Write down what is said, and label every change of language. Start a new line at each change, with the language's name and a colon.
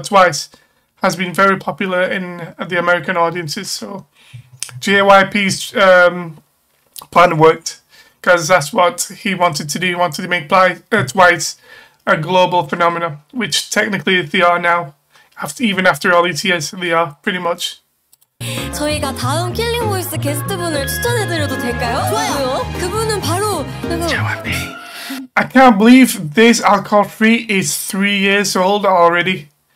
English: Twice has been very popular in the American audiences, so JYP's plan worked, because that's what he wanted to do. He wanted to make Twice a global phenomenon, which technically they are now. Even after all these years, they are, pretty much.
Korean: 저희가 다음 킬링보이스 게스트분을 추천해드려도 될까요? 좋아요. 그분은 바로
English: I can't believe this Alcohol Free is 3 years old already.